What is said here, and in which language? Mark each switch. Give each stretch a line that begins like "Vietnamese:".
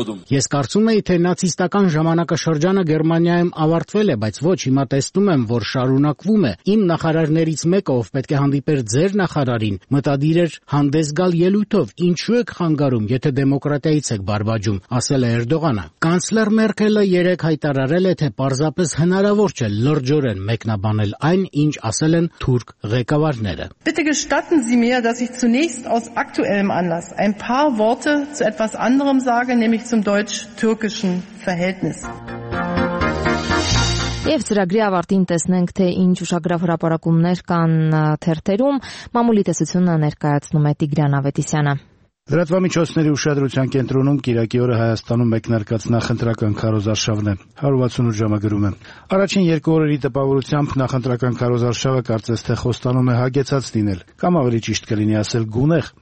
Armenian: Ես կարծում էի, թե նացիստական ժամանակաշրջանը Գերմանիայում ավարտվել է, բայց ոչ, հիմա տեսնում եմ, որ շարունակվում է։ Իմ նախարարներից մեկը, ով պետք է հանդիպեր ձեր նախարարին, մտադիր էր հանդես գալ ելույթով, ինչու եք խանգարում, եթե դեմոկրատիայից եք բարբաջում, ասել է Էրդողանը։ Կանցլեր Մերկելը երեկ հայտարարել է, թե պարզապես հնարավոր չէ լրջորեն մեկնաբանել այն, ինչ ասել են թուրք ղեկավարները։
German: Bitte gestatten Sie mir, dass ich zunächst aus aktuellem Anlass ein paar Worte zu etwas anderem sage, nämlich zum deutsch-türkischen Verhältnis.
Armenian: Եվ ծրագրի ավարտին տեսնենք, թե ինչ ուշագրավ հրապարակումներ կան թերթերում, մամուլի տեսությունը ներկայացնում է Տիգրան Ավետիսյանը։ Լրատվամիջոցների ուշադրության կենտրոնում կիրակի օրը Հայաստանում մեկնարկած նախընտրական քարոզարշավն է 168 ժամագրում է։ Առաջին երկու օրերի տպավորությամբ նախընտրական քարոզարշավը կարծես թե խոստանում է հագեցած լինել, կամ ավելի ճիշտ կլինի ասել գունեղ,